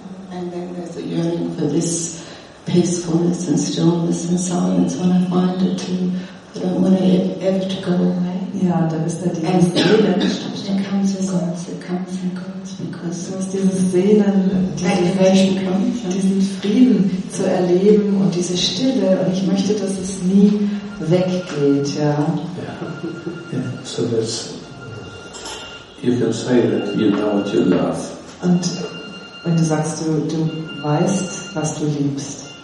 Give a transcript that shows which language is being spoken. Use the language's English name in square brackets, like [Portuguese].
[English] And then there's a yearning for this peacefulness and stillness and silence when I find it too. I don't want it ever to go away. [German] Ja, da ist da dieses Sehnen. [English] It comes and goes, because [German] du hast dieses Sehnen, diesen Frieden zu erleben und diese Stille, und ich möchte, dass es nie weggeht, ja. [English] So that's, you can say that you know what you love. [German] Und wenn du sagst, du weißt, was du liebst.